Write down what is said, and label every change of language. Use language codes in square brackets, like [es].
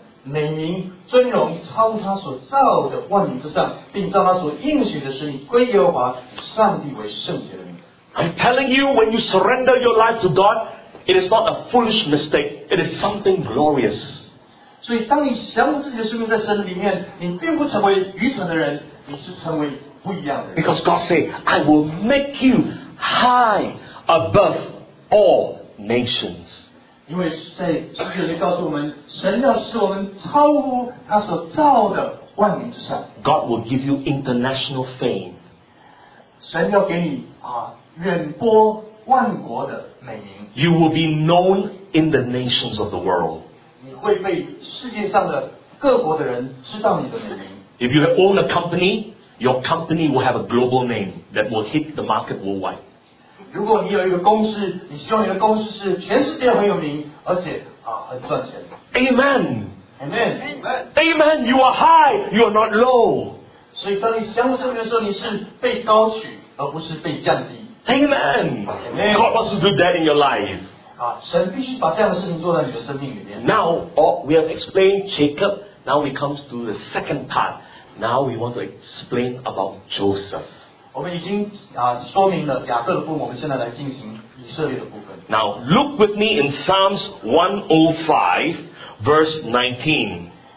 [zh] 美名尊荣超他所造的万民之上，并照他所应许的使你归耶和华上帝为圣洁的名。 [en] I'm telling you, when you surrender your life to God, it is not a foolish mistake, it is something glorious. [zh] 所以当你降服自己的生命在神里面，你并不成为愚蠢的人，你是成为不一样的人。 [en] Because God said, "I will make you high above all nations." [zh] 因为在圣经里告诉我们，神要使我们超乎他所造的万民之上。 [en] God will give you international fame. [zh] 神要给你远播万国的美名。 [en] You will be known in the nations of the world. [zh] 你会被世界上的各国的人知道你的美名。 [en] If you own a company, your company will have a global name that will hit the market worldwide. [zh] 如果你有一个公司，你希望你的公司是全世界很有名，而且很赚钱。 [en] Amen. Amen. Amen. Amen. You are high. You are not low. [zh] 所以当你降服神的时候，你是被高举，而不是被降低。 [en] Amen. Amen. God wants to do that in your life. [zh] 神必须把这样的事情做在你的生命里面。 [en] Now, we have explained Jacob. Now we come to the second part. Now we want to explain about Joseph. [zh] 我们已经说明了雅各的父母，我们现在来进行以色列的部分。 [en] Now look with me in Psalms 105:19.